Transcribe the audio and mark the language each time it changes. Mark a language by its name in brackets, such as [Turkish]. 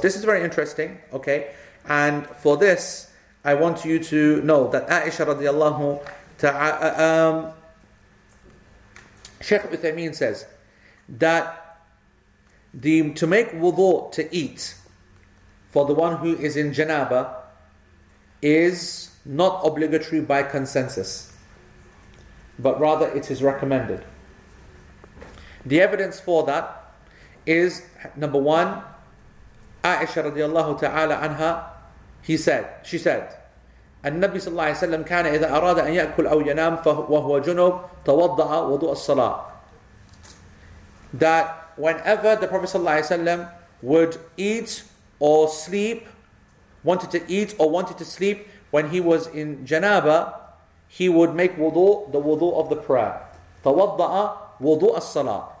[English] This is very interesting, okay? And for this, I want you to know that Aisha radiallahu ta'ala, Sheikh Uthaymeen says that to make wudu to eat for the one who is in janaba is not obligatory by consensus, but rather it is recommended. The evidence for that is, number one, Aisha radiallahu ta'ala anha, she said, [Arabic] النبي صلى الله عليه وسلم كان إذا أراد أن يأكل أو ينام فهو جنب توضأ وضوء الصلاة. [English] That whenever the Prophet [Arabic] صلى الله عليه وسلم [English] would eat or sleep, wanted to eat or wanted to sleep when he was in janaba, he would make wudu, the wudu of the prayer. [Arabic] توضأ وضوء الصلاة.